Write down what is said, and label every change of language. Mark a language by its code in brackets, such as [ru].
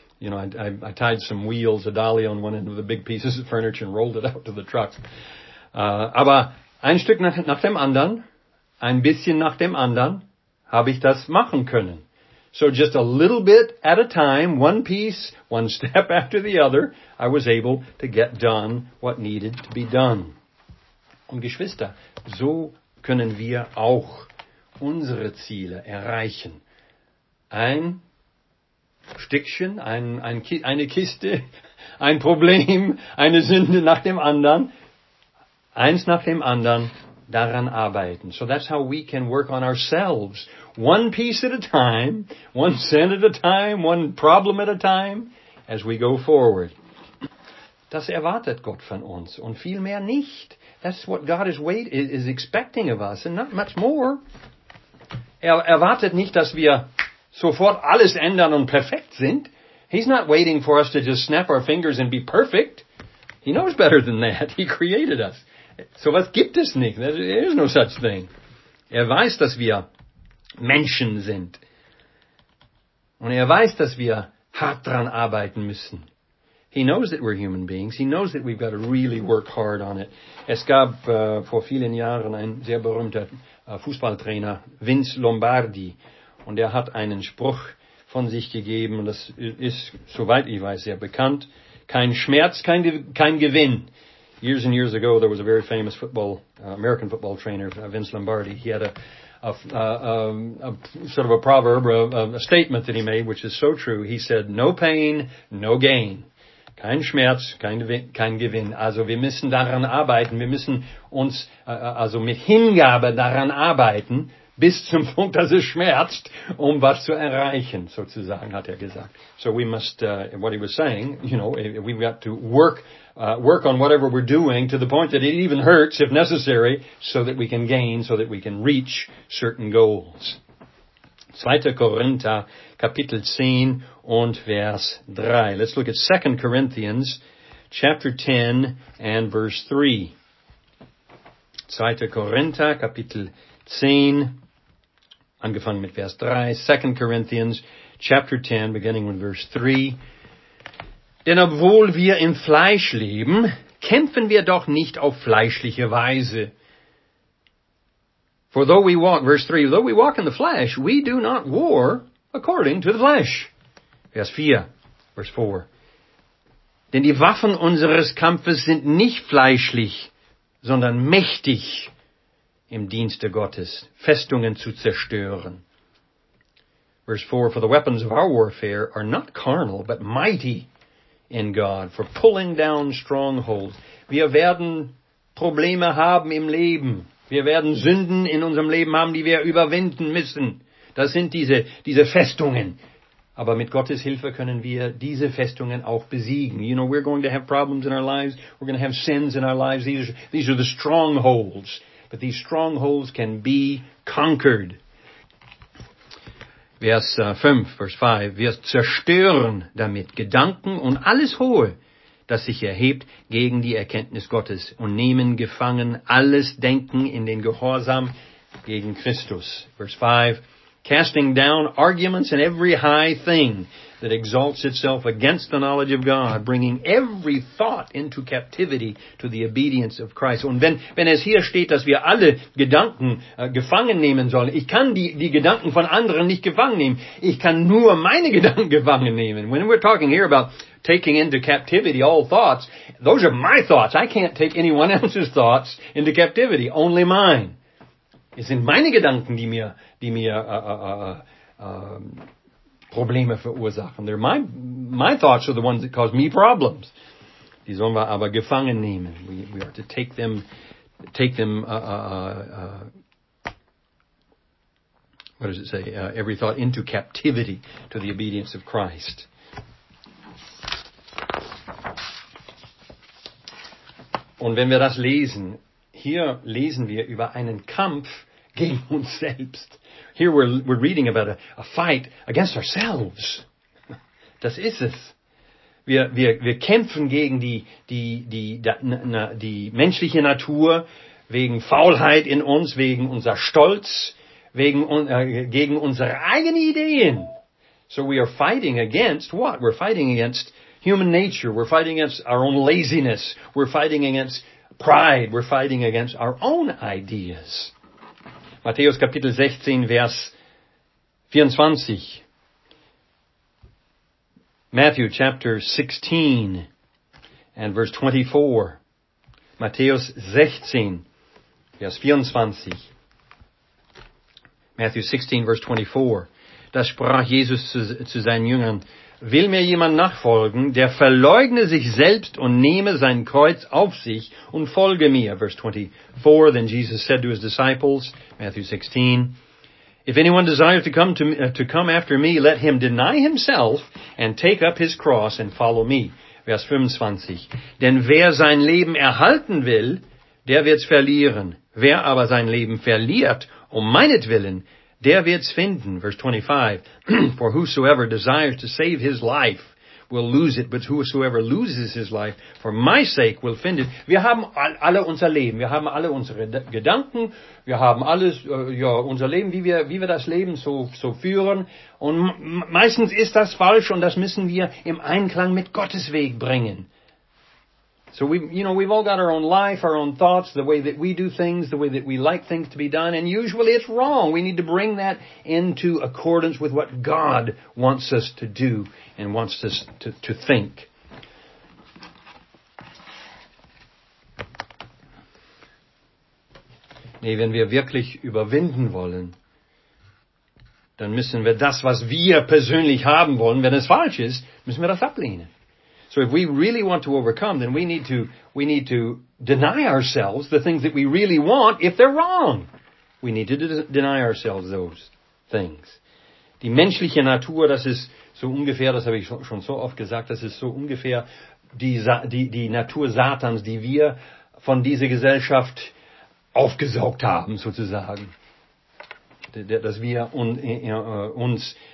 [en] You know, I tied some wheels, a dolly on one end of the big pieces of furniture and rolled it out to the truck. [de] Aber ein Stück nach dem anderen, ein bisschen nach dem anderen, habe ich das machen können. [en] So just a little bit at a time, one piece, one step after the other, I was able to get done what needed to be done. [de] Und Geschwister, so können wir auch unsere Ziele erreichen. Ein Stückchen, eine Kiste, ein Problem, eine Sünde nach dem anderen, eins nach dem anderen, daran arbeiten. [en] So that's how we can work on ourselves. One piece at a time, one sin at a time, one problem at a time, as we go forward. [de] Das erwartet Gott von uns und viel mehr nicht. [en] That's what God is expecting of us, and not much more. [de] Er erwartet nicht, dass wir sofort alles ändern und perfekt sind. [en] He's not waiting for us to just snap our fingers and be perfect. He knows better than that. He created us. [de] So was gibt es nicht. [en] There is no such thing. [de] Er weiß, dass wir Menschen sind. Und er weiß, dass wir hart dran arbeiten müssen. [en] He knows that we're human beings. He knows that we've got to really work hard on it. [de] Es gab vor vielen Jahren ein sehr berühmter Fußballtrainer, Vince Lombardi. Und er hat einen Spruch von sich gegeben. Und das ist, soweit ich weiß, sehr bekannt. Kein Schmerz, kein Gewinn. [en] Years and years ago, there was a very famous American football trainer, Vince Lombardi. He had a proverb, a statement that he made, which is so true. He said, no pain, no gain. [de] Kein Schmerz, kein Gewinn. Also wir müssen daran arbeiten. Wir müssen uns also mit Hingabe daran arbeiten, bis zum Punkt, dass es schmerzt, um was zu erreichen, sozusagen, hat er gesagt. [en] So we must, what he was saying, you know, we've got to work on whatever we're doing to the point that it even hurts, if necessary, so that we can gain, so that we can reach certain goals. [de] 2. Korinther, Kapitel 10 und Vers 3. [en] Let's look at 2 Corinthians, chapter 10 and verse 3. [de] 2. Korinther, Kapitel 10, angefangen mit Vers 3, 2. [en] Corinthians, Chapter 10, beginning with verse 3. [de] Denn obwohl wir im Fleisch leben, kämpfen wir doch nicht auf fleischliche Weise. [en] For though we walk, verse 3, though we walk in the flesh, we do not war according to the flesh. [de] Vers 4, [en] verse 4. [de] Denn die Waffen unseres Kampfes sind nicht fleischlich, sondern mächtig im Dienste Gottes, Festungen zu zerstören. [en] Verse 4, for the weapons of our warfare are not carnal, but mighty in God, for pulling down strongholds. [de] Wir werden Probleme haben im Leben. Wir werden Sünden in unserem Leben haben, die wir überwinden müssen. Das sind diese Festungen. Aber mit Gottes Hilfe können wir diese Festungen auch besiegen. [en] You know, we're going to have problems in our lives. We're going to have sins in our lives. These are the strongholds. But these strongholds can be conquered. [de] Vers 5, Vers 5. Wir zerstören damit Gedanken und alles Hohe, das sich erhebt gegen die Erkenntnis Gottes, und nehmen gefangen alles Denken in den Gehorsam gegen Christus. [en] Verse 5. Casting down arguments and every high thing that exalts itself against the knowledge of God, bringing every thought into captivity to the obedience of Christ. [de] Und wenn es hier steht, dass wir alle Gedanken gefangen nehmen sollen, ich kann die Gedanken von anderen nicht gefangen nehmen. Ich kann nur meine Gedanken gefangen nehmen. [en] When we're talking here about taking into captivity all thoughts, those are my thoughts. I can't take anyone else's thoughts into captivity, only mine. [de] Es sind meine Gedanken, Probleme verursachen. [en] They're my thoughts are the ones that cause me problems. [de] Die sollen wir aber gefangen nehmen. [en] We are to every thought into captivity to the obedience of Christ. [de] Und wenn wir das lesen, hier lesen wir über einen Kampf gegen uns selbst. [en] Here we're reading about a fight against ourselves. [de] Das ist es. Wir kämpfen gegen die menschliche Natur, wegen Faulheit in uns, wegen unser Stolz, gegen unsere eigenen Ideen. [en] So we are fighting against what? We're fighting against human nature. We're fighting against our own laziness. We're fighting against pride. We're fighting against our own ideas. [de] Matthäus Kapitel 16, Vers 24. [en] Matthew Chapter 16 and Verse 24. [de] Matthäus 16, Vers 24. [en] Matthew 16, Verse 24. [de] Da sprach Jesus zu seinen Jüngern: Will mir jemand nachfolgen, der verleugne sich selbst und nehme sein Kreuz auf sich und folge mir. [en] Verse 24, then Jesus said to his disciples, Matthew 16, if anyone desires to come after me, let him deny himself and take up his cross and follow me. [de] Verse 25, denn wer sein Leben erhalten will, der wird's verlieren. Wer aber sein Leben verliert, um meinetwillen, der wird's finden. [en] Verse 25, for whosoever desires to save his life will lose it, but whosoever loses his life for my sake will find it. [de] Wir haben alle unser Leben, wir haben alle unsere Gedanken, wir haben alles, unser Leben, wie wir das Leben so führen. Und meistens ist das falsch, und das müssen wir im Einklang mit Gottes Weg bringen. [en] So we've all got our own life, our own thoughts, the way that we do things, the way that we like things to be done, and usually it's wrong. We need to bring that into accordance with what God wants us to do and wants us to think. [de] Nee, wenn wir wirklich überwinden wollen, dann müssen wir das, was wir persönlich haben wollen, wenn es falsch ist, müssen wir das ablehnen. [en] So if we really want to overcome, then we need to deny ourselves the things that we really want if they're wrong. We need to deny ourselves those things. [de] Die menschliche Natur, das ist so ungefähr, das habe ich schon so oft gesagt, das ist so ungefähr die Natur Satans, die wir von dieser Gesellschaft aufgesaugt haben, sozusagen. Dass wir uns